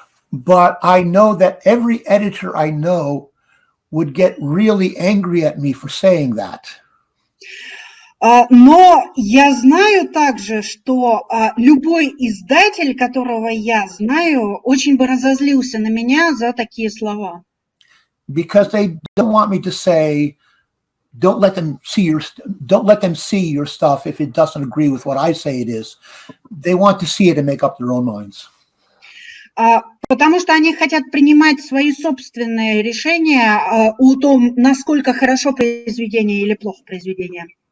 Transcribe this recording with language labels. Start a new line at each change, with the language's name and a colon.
English: But I know that every editor I know would get really angry at me for saying that.
Russian: Но я знаю также, что любой издатель, которого я знаю, очень бы разозлился на меня за такие слова.
English: Because they don't want me to say, don't let them see your stuff if it doesn't agree with what I say it is. They want to see it and make up their own minds.
Russian: Потому что они хотят принимать свои собственные решения о том, насколько хорошо произведение или плохо произведение.